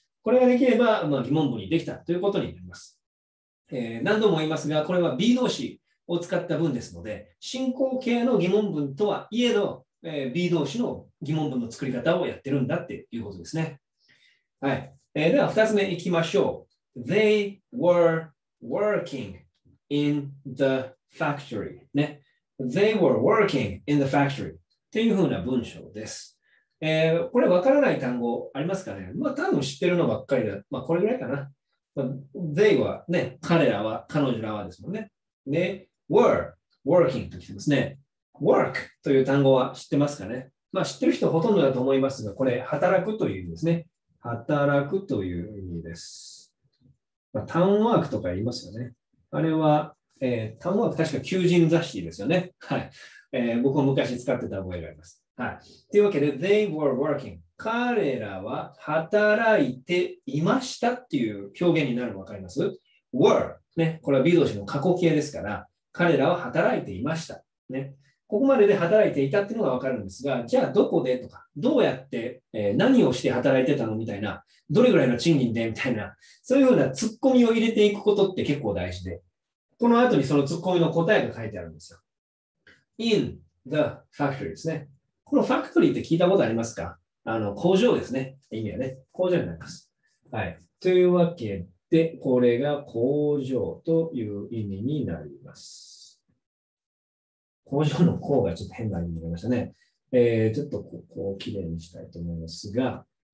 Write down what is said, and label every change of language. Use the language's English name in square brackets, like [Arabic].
[Japanese] これができれば、まあ、疑問文にできたということになります。何度も言いますが、これは be 動詞を使った文ですので、進行形の疑問文とはいえど、B 動詞の疑問文の作り方をやってるんだっていうことですね。はい。では、二つ目いきましょう。 [English] They were working in the factory。 [Japanese] ね。 [English] They were working in the factory。 [Japanese] っていうふうな文章です。これ分からない単語ありますかね？まあ、多分知ってるのばっかりだ。まあ、これぐらいかな。 They はね、彼らは、彼女らはですもんね。で、were working と来てますね。 work という単語は知ってますかね？まあ知ってる人ほとんどだと思いますが、これ、働くという意味ですね。働くという意味です。まあ、タウンワークとか言いますよね。あれは、タウンワーク確か求人雑誌ですよね。はい。僕も昔使ってた覚えがあります。はい。というわけで、 [English] they were working。 [Japanese] 彼らは働いていましたっていう表現になるのわかります？ were。ね。これは be 動詞の過去形ですから、彼らは働いていました。ね。ここまでで働いていたっていうのがわかるんですが、じゃあどこでとか、どうやって、何をして働いてたのみたいな、どれぐらいの賃金でみたいな、そういうふうな突っ込みを入れていくことって結構大事で、この後にその突っ込みの答えが書いてあるんですよ。 [English] in the factory ですね。 [Japanese] このファクトリーって聞いたことありますか？工場ですね。意味はね。工場になります。はい。というわけで、これが工場という意味になります。工場の工がちょっと変な意味になりましたね。ちょっとここをきれいにしたいと思いますが。